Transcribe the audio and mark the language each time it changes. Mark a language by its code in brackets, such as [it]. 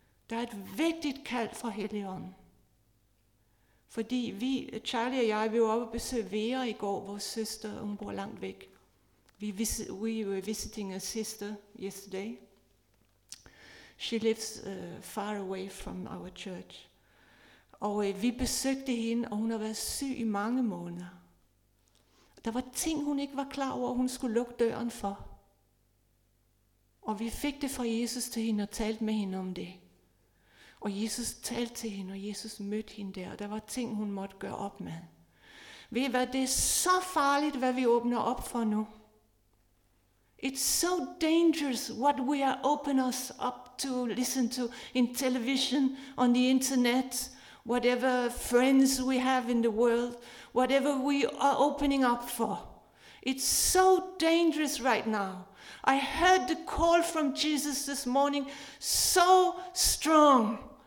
[da] Der er et vigtigt kald fra Helligånden. Fordi vi, Charlie og jeg, vi var oppe og besøge Vera i går, vores søster, hun bor langt væk. [en] We were visiting a sister yesterday. She lives far away from our church. [da] Og vi besøgte hende, og hun har været syg i mange måneder. Der var ting, hun ikke var klar over, hun skulle lukke døren for. Og vi fik det fra Jesus til hende og talte med hende om det. Og Jesus talte til hende, og Jesus mødte hende der, og der var ting, hun måtte gøre op med. Ved I hvad, det er så farligt, hvad vi åbner op for nu. [en] It's so dangerous what we are open us up to listen to in television, on the internet, whatever friends we have in the world, whatever we are opening up for. It's so dangerous right now. I heard the call from Jesus this morning so strong.